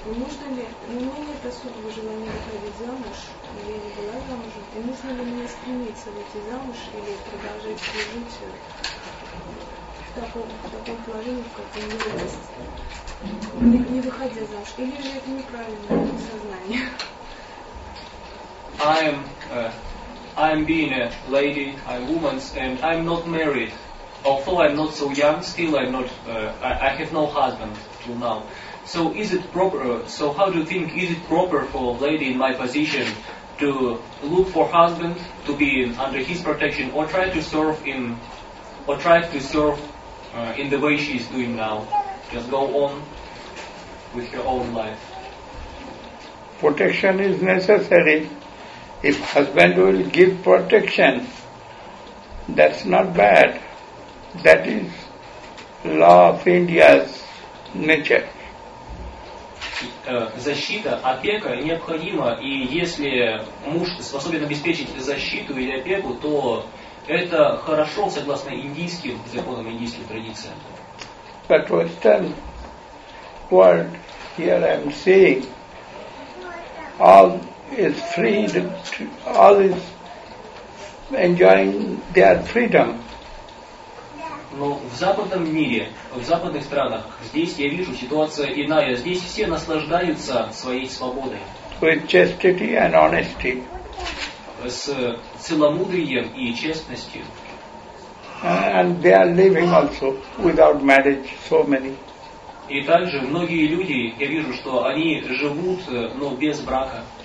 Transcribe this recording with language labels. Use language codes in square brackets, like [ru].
[ru] И нужно ли, у меня нет особого желания выходить замуж, я не была замужем, и нужно ли мне стремиться выйти замуж или продолжать свою жизнь в таком положении, в каком я есть, не выходя замуж, или же это неправильное сознание? [en] I'm being a lady, I'm woman, and I'm not married. Although I'm not so young, still I'm not, I have no husband till now. So is it proper, so how do you think, is it proper for a lady in my position to look for husband, to be under his protection, or try to serve in, or try to serve in the way she is doing now? Just go on with her own life. Protection is necessary. If husband will give protection, that's not bad. That is law of India's nature. [ru] Защита, опека необходима, и если муж способен обеспечить защиту или опеку, то это хорошо, согласно индийским законам, индийским традициям. [en] But Western world, here I'm saying, all is free, all is enjoying their freedom. [ru] Но в западном мире, в западных странах, здесь я вижу ситуация иная. Здесь все наслаждаются своей свободой. [en] With chastity and honesty. [ru] С целомудрием и честностью. [en] And they are living also without marriage, so many. [ru] И также многие люди, я вижу, что они живут, но без брака.